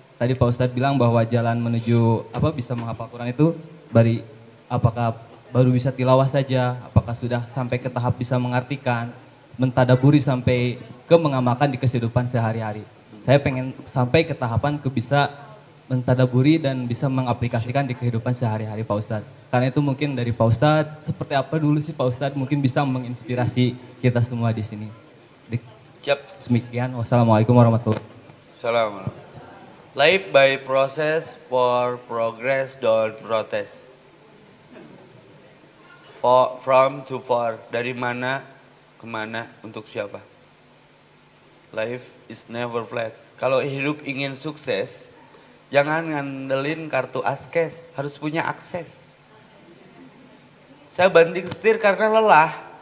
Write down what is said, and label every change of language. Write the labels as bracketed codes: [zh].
[id] Tadi Pak Ustadz bilang bahwa jalan menuju apa bisa menghafal Quran itu dari apakah baru bisa tilawah saja, apakah sudah sampai ke tahap bisa mengartikan, mentadaburi sampai ke mengamalkan di kehidupan sehari-hari. Saya pengen sampai ke tahapan ke bisa mentadaburi dan bisa mengaplikasikan di kehidupan sehari-hari, Pak Ustadz. Karena itu mungkin dari Pak Ustadz, seperti apa dulu sih Pak Ustadz mungkin bisa menginspirasi kita semua di sini. Siap. Semikian. Wassalamualaikum warahmatullahi wabarakatuh. Salam. [en] Life by process for progress don't protest. For, from to for. [id] Dari mana ke mana untuk siapa. [en] Life is never flat. [id] Kalau hidup ingin sukses, jangan ngandelin kartu askes. Harus punya akses. Saya banting setir karena lelah.